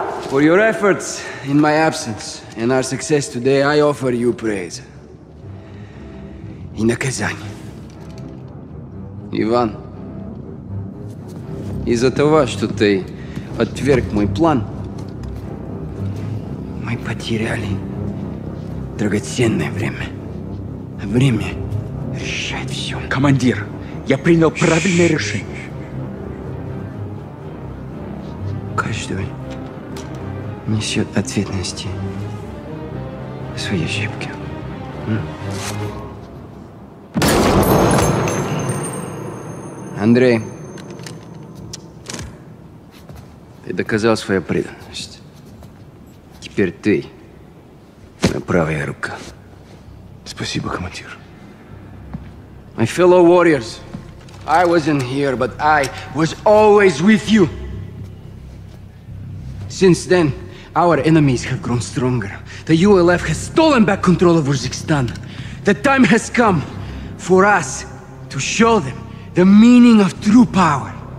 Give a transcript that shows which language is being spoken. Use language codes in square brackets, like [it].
[en] For your efforts in my absence and our success today, I offer you praise. In the Kazani. [ru] Иван, из-за того, что ты отверг мой план, мы потеряли драгоценное время. Время решает все. Командир, я принял правильное решение. Каждый несет ответственность за свои ошибки. Андрей, ты доказал свою преданность. Теперь ты, моя правая рука. Спасибо, командир. [en] My fellow warriors, I wasn't here, but I was always with you. Since then, our enemies have grown stronger. The ULF has stolen back control of Uzbekistan. The time has come for us to show them the meaning of true power.